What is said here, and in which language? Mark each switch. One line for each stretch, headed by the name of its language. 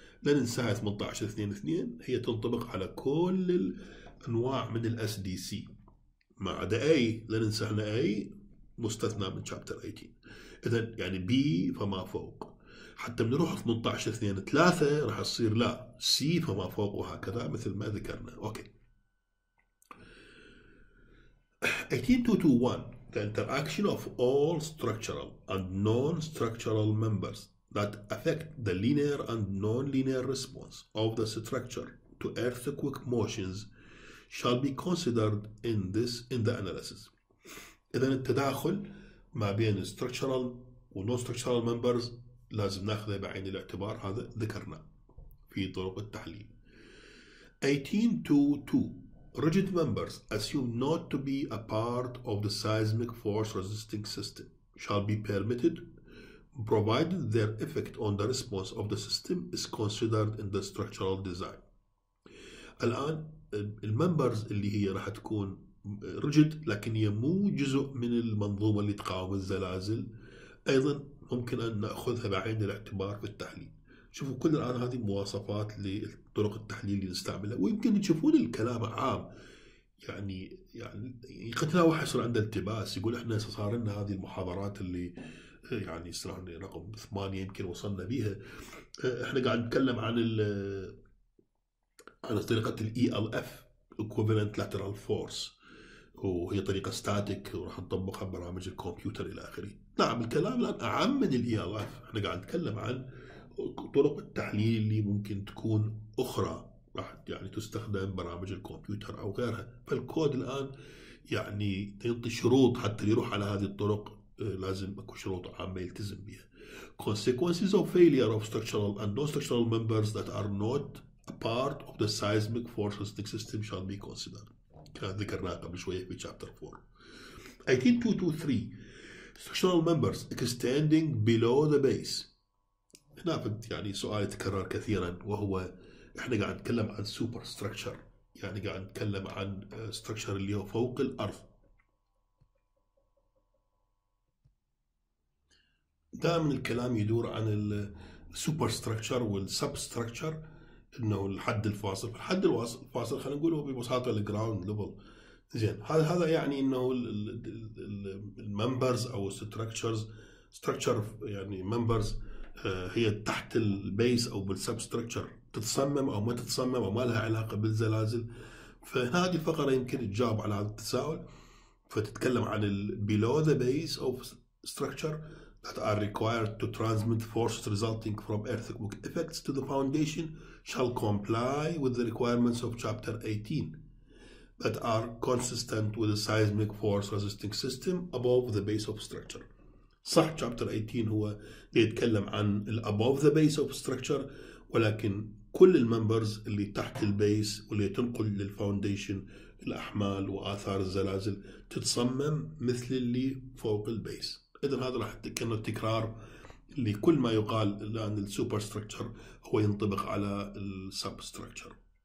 Arabic: لن ننسى 18-2-2 هي تنطبق على كل الأنواع من الـ SDC ما عدا A. لن ننسى هنا A مستثنى من Chapter 18. إذن يعني B فما فوق، حتى من نروح 18-2-3 راح يصير لا C فما فوق، وهكذا مثل ما ذكرنا.
English: Okay, 18-2-2-1 the interaction of all structural and non-structural members that affect the linear and non-linear response of the structure to earthquake motions shall be considered in this in the analysis.
Arabic: إذا التداخل ما بين structural و non-structural members لازم نأخذه بعين الاعتبار، هذا ذكرنا في طرق التحليل.
English: 18-2-2 rigid members assumed not to be a part of the seismic force resisting system shall be permitted provided their effect on the response of the system is considered in the structural design.
Arabic: الآن الممبرز اللي هي راح تكون rigid لكن هي مو جزء من المنظومة اللي تقاوم الزلازل، أيضا ممكن أن نأخذها بعين الاعتبار في التحليل. شوفوا كل الآن هذه مواصفات لطرق التحليل اللي نستعملها، ويمكن تشوفون الكلام عام يعني قتلها وحصل عند التباس. يقول إحنا صار لنا هذه المحاضرات اللي يعني صرنا رقم 8 يمكن وصلنا بيها، احنا قاعد نتكلم عن طريقه الاي ال اف equivalent lateral force، وهي طريقه ستاتيك وراح نطبقها ببرامج الكمبيوتر الى اخره. نعم الكلام الان اعم من الاي ال اف، احنا قاعد نتكلم عن طرق التحليل اللي ممكن تكون اخرى راح يعني تستخدم برامج الكمبيوتر او غيرها. فالكود الان يعني ينطي شروط حتى يروح على هذه الطرق لازم اكو شروط عامة يلتزم بها.
English: Consequences of failure of structural and non-structural members that are not a part of the seismic force resisting system shall be considered.
Arabic: كان ذكرناها قبل شوية في chapter 4.
English: 18.2.2.3 Structural members extending below the base.
Arabic: هنا فهمت يعني سؤال يتكرر كثيرا وهو احنا قاعد نتكلم عن سوبر ستراكشر، يعني قاعد نتكلم عن ستراكشر اللي هو فوق الارض. دائما الكلام يدور عن السوبر ستراكشر والسب ستراكشر، انه الحد الفاصل. الحد الفاصل خلينا نقول هو ببساطه الجراوند ليفل. زين، هذا يعني انه الممبرز او ستراكشرز، ستراكشر يعني ممبرز هي تحت البيس او بالسب ستراكشر، تتصمم او ما تتصمم او ما لها علاقه بالزلازل.
English: فهذه الفقره يمكن تجاوب على هذا التساؤل، فتتكلم عن البيلو ذا بيس او structure that are required to transmit forces resulting from earthquake effects to the foundation shall comply with the requirements of chapter 18 that are consistent with a seismic force resisting system above the base of structure.
Arabic: صح chapter 18 هو بيتكلم عن above the base of structure، ولكن كل الممبرز اللي تحت البيس واللي تنقل للفاونديشن الاحمال واثار الزلازل تتصمم مثل اللي فوق البيس. إذن هذا راح كأنه تكرار لكل ما يقال، لأن السوبر ستراكشر هو ينطبق على السب ستراكشر.